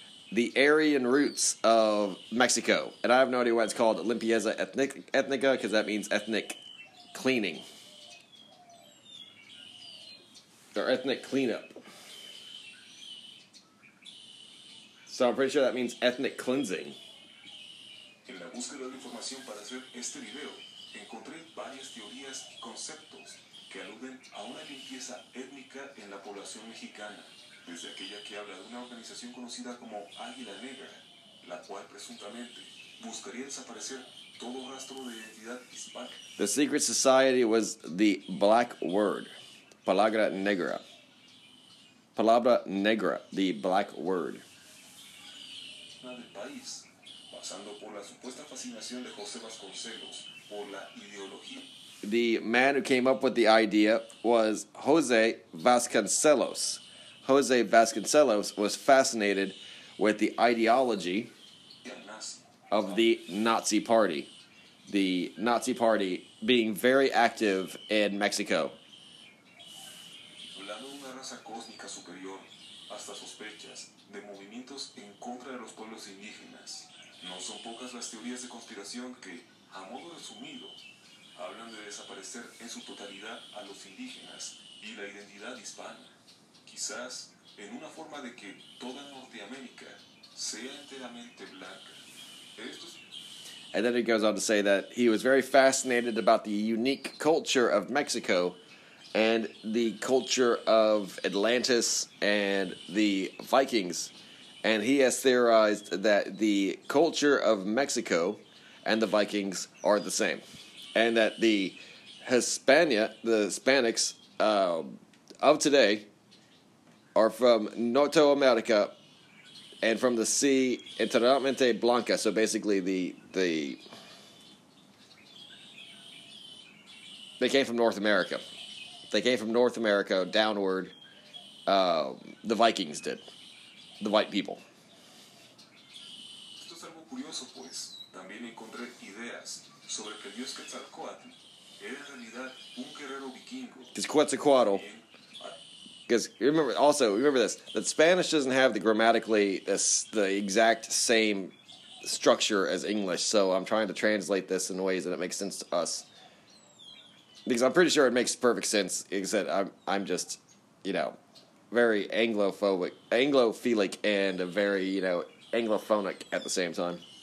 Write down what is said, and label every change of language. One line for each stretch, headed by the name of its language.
English: The Aryan roots of Mexico. And I have no idea why it's called limpieza etnica, because that means ethnic cleaning. Or ethnic cleanup. So I'm pretty sure that means ethnic cleansing.
Spanish: En la búsqueda de información para hacer este video, encontré varias teorías y conceptos que aluden a una limpieza étnica en la población mexicana, desde aquella que habla de una organización conocida como Águila Negra, la cual presuntamente buscaría desaparecer todo rastro de identidad hispana.
English: The secret society was the black word,
Spanish: palabra negra. Palabra negra,
English: the black word.
Spanish: Del país, pasando por la supuesta fascinación de José Vasconcelos por la ideología. The man who came up with the idea was José Vasconcelos. José Vasconcelos was fascinated with the ideology of the Nazi Party. the Nazi Party being very active in Mexico. Hablando de una raza cósmica superior, hasta sospechas de movimientos en contra de los pueblos indígenas. No son pocas las teorías de conspiración que, a modo resumido, hablan de desaparecer en su totalidad a los indígenas y la identidad hispana. Quizás en una forma de que toda Norteamérica sea enteramente blanca. Esto es...
English: And then he goes on to say that he was very fascinated about the unique culture of Mexico and the culture of Atlantis and the Vikings. And he has theorized that the culture of Mexico and the Vikings are the same. And that the Hispanics of today are from Norte America and from the sea
Spanish: enteramente blanca.
English: So basically they came from North America. They came from North America downward. The Vikings did. The white people.
Spanish: Esto es algo curioso, pues. También encontré ideas sobre que el dios Quetzalcóatl era en realidad un guerrero vikingo.
English: Because Quetzalcóatl... Because, remember this. That Spanish doesn't have the exact same structure as English. So I'm trying to translate this in ways that it makes sense to us. Because I'm pretty sure it makes perfect sense, except I'm just, you know, very anglophilic and very, you know, anglophonic at the same time.